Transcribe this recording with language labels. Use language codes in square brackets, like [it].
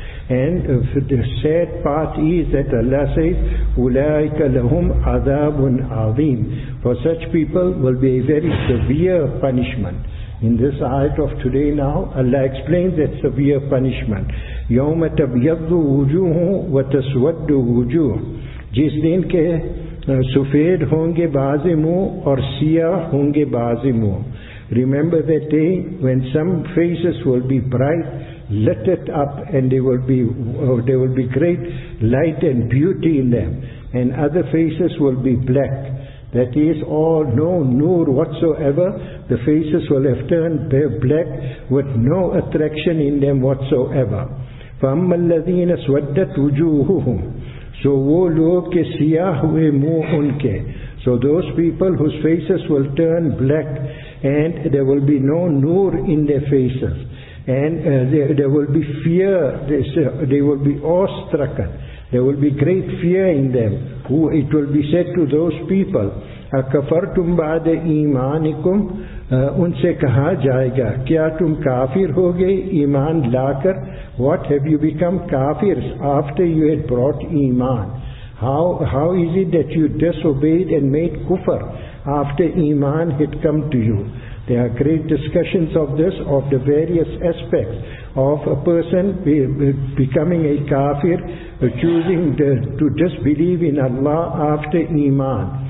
[en] And the sad part is that Allah says, [ar] أُولَٰئِكَ لَهُمْ عَذَابٌ عَظِيمٌ. [en] For such people will be a very severe punishment. In this ayat of today now, Allah explains that severe punishment. [ar] يَوْمَ تَبْيَضُ وُجُوهُمْ وَتَسْوَدُ وُجُوهُمْ. [ur] جس دن کے سفید ہوں گے بعض منہ اور سیاہ ہوں گے بعض منہ. [en] Remember that day when some faces will be bright, lit it up, and there will be great light and beauty in them, and other faces will be black. That is, all no noor whatsoever. The faces will have turned black with no attraction in them whatsoever. [ar] فَأَمَّا الَّذِينَ اسْوَدَّتْ وُجُوهُهُمْ. [ur] So وہ لوگ کے سیاہ ہوئے منہ ان کے. [en] So those people whose faces will turn black and there will be no noor in their faces. And there will be fear, they will be awestruck. There will be great fear in them. Who it will be said to those people, [ar] أَكَفَرْتُمْ بَعْدَ إِيمَانِكُمْ. [ur] ان سے کہا جائے گا, کیا تم کافر ہو گئے ایمان لا کر. [en] What have you become kafir after you had brought ایمان. How is it that you disobeyed and made kufr after ایمان had come to you? There are great discussions of this, of the various aspects of a person becoming a kafir, choosing to disbelieve in Allah after iman.